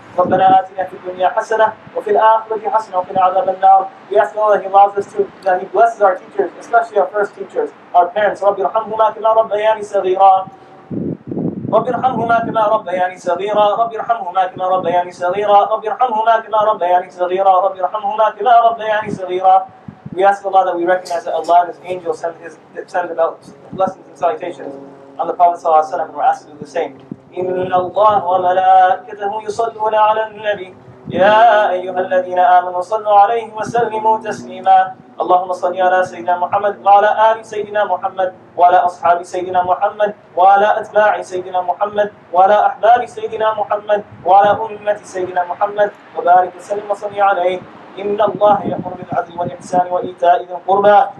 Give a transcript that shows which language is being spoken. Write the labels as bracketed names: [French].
[Arabic] ربنا آتنا في الدنيا حسنة وفي الآخرة حسنة وقنا عذاب النار. [English] We ask Allah that He allows us to, that He blesses our teachers, especially our first teachers, our parents. [Arabic] رب ارحمهما كما ربياني صغيرا. رب ارحمهما كما ربياني صغيرا. رب ارحمهما كما ربياني صغيرا. رب ارحمهما كما ربياني صغيرا. رب ارحمهما كما ربياني صغيرا. [English] We ask Allah that we recognize that Allah and His angels send about blessings and salutations on the Prophet [Arabic] صلى الله عليه وسلم, [English] and we're asked to do the same. [Arabic] إن الله وملائكته يصلون على النبي يا أيها الذين آمنوا صلوا عليه وسلموا تسليما اللهم صل على سيدنا محمد وعلى آل سيدنا محمد وعلى أصحاب سيدنا محمد وعلى أتباع سيدنا محمد وعلى أحباب سيدنا محمد وعلى أمة سيدنا محمد وبارك وسلم وصل عليه إن الله يأمر بالعدل والإحسان وإيتاء ذي القربى